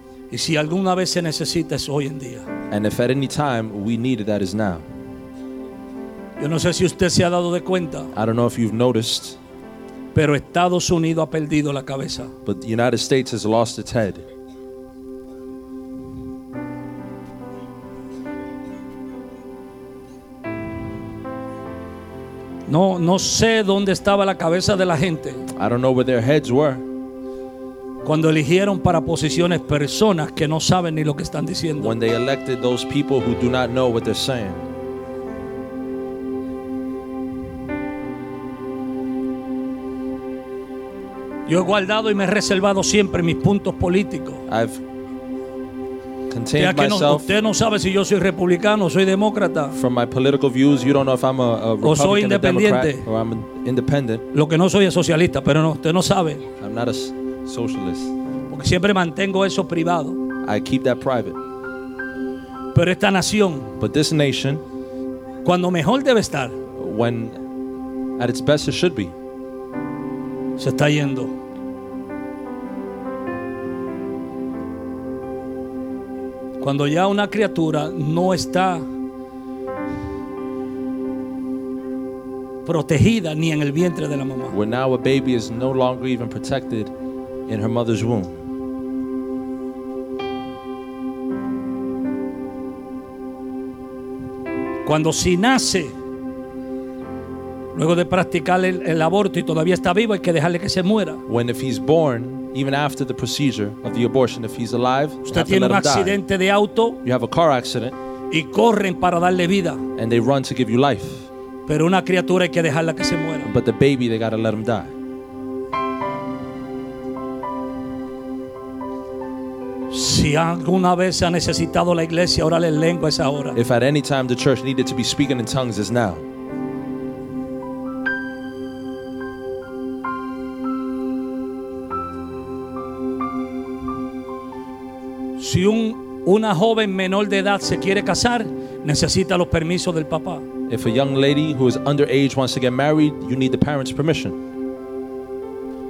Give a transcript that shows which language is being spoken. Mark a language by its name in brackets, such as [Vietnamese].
[Spanish] Y si alguna vez se necesita es hoy en día. [English] And if at any time we need it, that is now. [Spanish] Yo no sé si usted se ha dado de cuenta. [English] I don't know if you've noticed. [Spanish] Pero Estados Unidos ha perdido la cabeza. [English] But the United States has lost its head. [Spanish] No sé dónde estaba la cabeza de la gente. [English] I don't know where their heads were. [Spanish] Cuando eligieron para posiciones personas que no saben ni lo que están diciendo. [English] When they elected those people who do not know what they're saying. [Spanish] Yo he guardado y me he reservado siempre mis puntos políticos. [English] I've contained myself. [Spanish] Usted no sabe si yo soy republicano, soy demócrata. [English] From my political views, you don't know if I'm a Republican, [Spanish] o soy independiente. [English] A Democrat, or I'm independent. [Spanish] Lo que no soy es socialista, pero no, usted no sabe. [English] I'm not a socialist. [Spanish] Porque siempre mantengo eso privado. [English] I keep that private. [Spanish] Pero esta nación, [English] but this nation, [Spanish] cuando mejor debe estar, [English] when at its best it should be, [Spanish] se está yendo. Cuando ya una criatura no está protegida ni en el vientre de la mamá. [English] When now a baby is no longer even protected in her mother's womb. [Spanish] cuando si nace luego de practicar el aborto y todavía está vivo, hay que dejarle que se muera. [English] When if he's born, even after the procedure of the abortion, if he's alive, [Spanish] usted tiene un accidente de auto, [English] you have a car accident, [Spanish] y corren para darle vida, [English] and they run to give you life. [Spanish] Pero una criatura hay que dejarla que se muera. [English] But the baby, they gotta let him die. [Spanish] Si alguna vez ha necesitado la iglesia orar en lengua, es ahora. [English] If at any time the church needed to be speaking in tongues, it's now. [Spanish] Si una joven menor de edad se quiere casar, necesita los permisos del papá. [English] If a young lady who is underage wants to get married, you need the parents' permission.